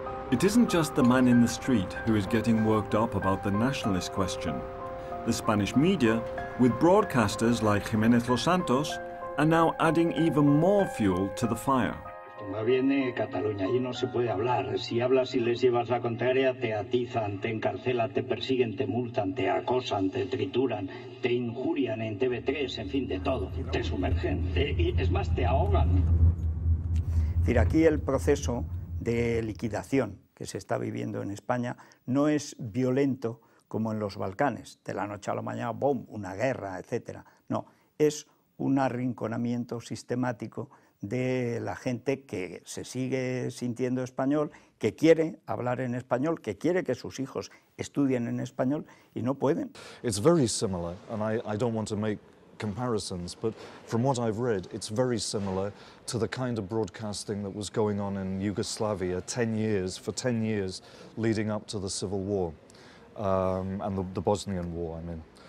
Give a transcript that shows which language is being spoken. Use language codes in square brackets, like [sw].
[en] It isn't just the man in the street who is getting worked up about the nationalist question. The Spanish media, with broadcasters like Jiménez Los Santos, are now adding even more fuel to the fire. [es] Más bien de Cataluña, allí no se puede hablar. Si hablas y les llevas la contraria, te atizan, te encarcelan, te persiguen, te multan, te acosan, te trituran, te injurian en TV3, en fin, de todo. Te sumergen, es más, te ahogan. Mira, aquí el proceso de liquidación que se está viviendo en España no es violento como en los Balcanes, de la noche a la mañana, ¡boom!, una guerra, etcétera. No, es un arrinconamiento sistemático de la gente que se sigue sintiendo español, que quiere hablar en español, que quiere que sus hijos estudien en español y no pueden. [en] It's very similar, and I don't want to make comparisons, but from what I've read, it's very similar to the kind of broadcasting that was going on in Yugoslavia for 10 years leading up to the civil war, and the Bosnian war, I mean.